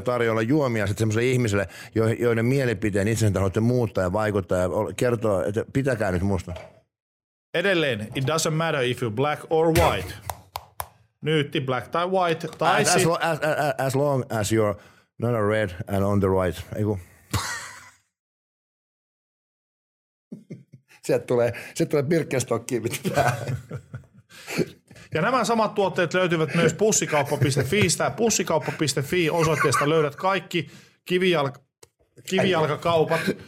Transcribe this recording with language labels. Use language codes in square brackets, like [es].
[fi] tarjolla juomia sitten semmoiselle ihmiselle, joiden mielipiteen itsensä haluatte muuttaa ja vaikuttaa ja kertoa, että pitäkää nyt musta. Edelleen, [en] it doesn't matter if you're black or white. [fi] Nyytti, black tai white. Tai [en] as long as you're not a red and on the right. [fi] Eiku. Sieltä tulee Birkenstockia mitä tää. Ja nämä samat tuotteet löytyvät myös pussikauppa.fi:stä. Pussikauppa.fi osoitteesta löydät kaikki kivijalkakaupat.